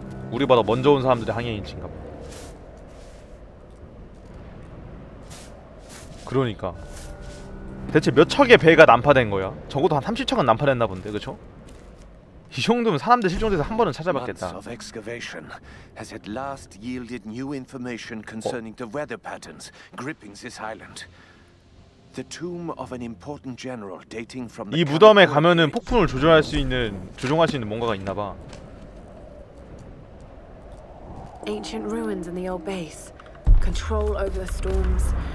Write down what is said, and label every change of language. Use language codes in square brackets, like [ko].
[ko] 우리보다 먼저 온 사람들이 항해인지인가 봐. 그러니까 대체 몇 척의 배가 난파된 거야? 적어도 한 30척은 난파됐나 본데, 그쵸? 이 정도면 사람들 실종돼서 한 번은 찾아봤겠다. [en] Months of excavation has at last yielded new information concerning the weather patterns gripping this island. The tomb of an important general dating from. [ko] 이 무덤에 가면은 폭풍을 조절할 수 있는, 조종할 수 있는 뭔가가 있나봐. [en] Ancient ruins in the old base. Control over the storms.